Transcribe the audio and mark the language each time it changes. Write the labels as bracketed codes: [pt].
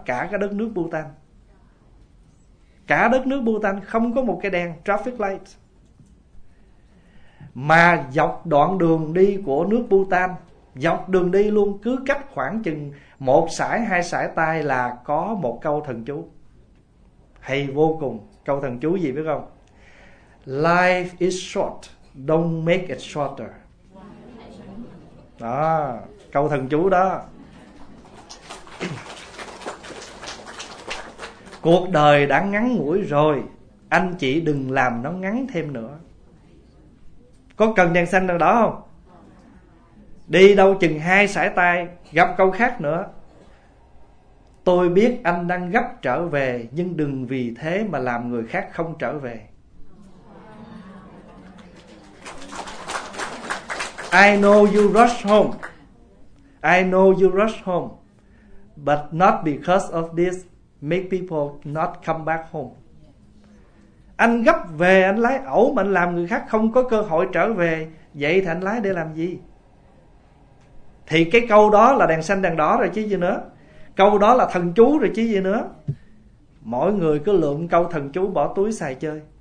[vi] Cả cái đất nước Bhutan, cả đất nước Bhutan không có một cái đèn traffic light. Mà dọc đoạn đường đi của nước Bhutan, dọc đường đi luôn, cứ cách khoảng chừng một sải hai sải tay là có một câu thần chú hay vô cùng. Câu thần chú gì biết không? [en] Life is short, don't make it shorter. [vi] Đó, câu thần chú đó. Cuộc đời đã ngắn ngủi rồi, anh chị đừng làm nó ngắn thêm nữa. Có cần đèn xanh nào đó không? Đi đâu chừng hai sải tay gặp câu khác nữa. Tôi biết anh đang gấp trở về, nhưng đừng vì thế mà làm người khác không trở về. [en] I know you rush home. I know you rush home. But not because of this, make people not come back home. [vi] Anh gấp về, anh lái ẩu mà anh làm người khác không có cơ hội trở về. Vậy thì anh lái để làm gì? Thì cái câu đó là đèn xanh đèn đỏ rồi chứ gì nữa. Câu đó là thần chú rồi chứ gì nữa. Mỗi người cứ lượm câu thần chú bỏ túi xài chơi.